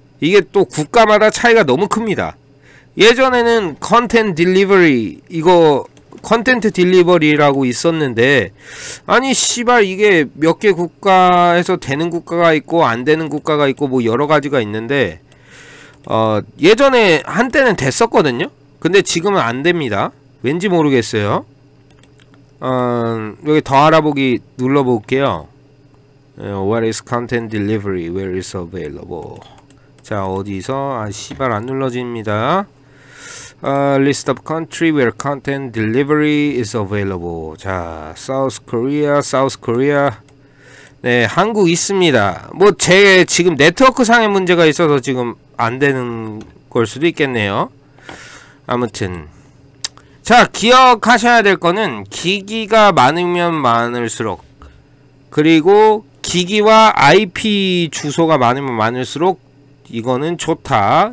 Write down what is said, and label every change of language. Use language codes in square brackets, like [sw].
[ko] 이게 또 국가마다 차이가 너무 큽니다. 예전에는 컨텐츠 딜리버리, 이거 컨텐츠 딜리버리라고 있었는데, 아니 씨발 이게 몇 개 국가에서 되는 국가가 있고 안 되는 국가가 있고 뭐 여러 가지가 있는데, 예전에 한때는 됐었거든요. 근데 지금은 안 됩니다. 왠지 모르겠어요. 여기 더 알아보기 눌러 볼게요. [en] What is content delivery? Where is available? [ko] 자, 어디서? 아 씨발 안 눌러집니다. [en] List of country where content delivery is available. [ko] 자, South Korea. 네, 한국 있습니다. 뭐 제 지금 네트워크 상의 문제가 있어서 지금 안 되는 걸 수도 있겠네요. 아무튼 자, 기억하셔야 될 거는 기기가 많으면 많을수록, 그리고 기기와 IP 주소가 많으면 많을수록 이거는 좋다.